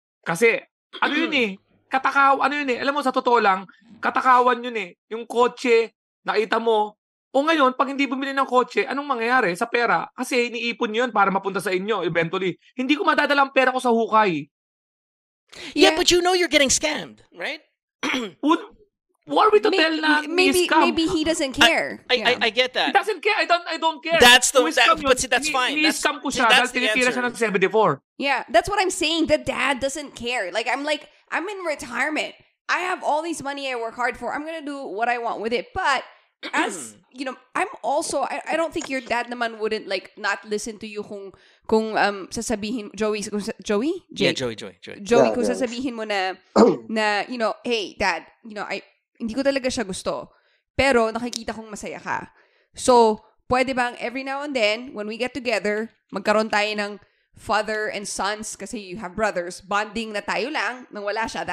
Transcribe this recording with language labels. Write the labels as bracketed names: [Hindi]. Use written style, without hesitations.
[Filipino] Kasi, ano yun eh? Katakawan, ano yun eh? Alam mo, sa totoo lang, katakawan yun eh. Yung kotse, nakita mo. O ngayon, pag hindi bumili ng kotse, anong mangyayari sa pera? Kasi iniipon yun para mapunta sa inyo, eventually. Hindi ko madadala ang pera ko sa hukay. [English] Yeah, but you know you're getting scammed, right? What are we to tell na maybe, scam? Maybe he doesn't care. I get that. He doesn't care. I don't care. That's the scam that, but see, that's fine. [Filipino] Ni-scam ko siya dahil tinitira siya ng 74. [English] Yeah, that's what I'm saying. The dad doesn't care. Like, I'm in retirement. I have all this money I work hard for. I'm gonna do what I want with it. But... as you know, I'm also. I don't think your dad naman wouldn't like not listen to you [Filipino] kung sasabihin Joey kung sasabihin mo na [English] you know, hey dad, you know, I [Filipino] hindi ko talaga siya gusto pero nakikita kong masaya ka, so pwede bang every [English] now and then when we get together [Filipino] magkaroon tayo ng [English] father and sons, kasi you have brothers, [Filipino] bonding na tayo lang nang wala siya.